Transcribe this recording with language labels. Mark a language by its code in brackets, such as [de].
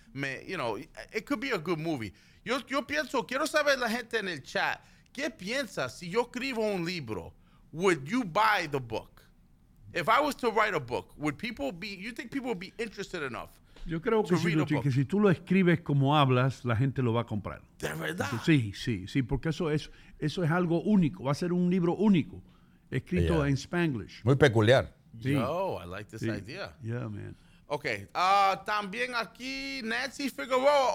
[en] Me, you know, it could be a good movie. [es] Yo pienso, quiero saber la gente en el chat, ¿qué piensas si yo escribo un libro? [en] Would you buy the book? If I was to write a book, would people be, you think people would be interested enough? [es] Yo creo que si tú lo escribes como hablas, la gente lo va a comprar. ¿De verdad? Sí, sí, sí, porque eso es algo único. Va a ser un libro único, escrito en Spanglish. Muy peculiar. Sí. Yo, [en] I like this idea. Yeah, man. [es] Ok, también aquí Nancy Figueroa.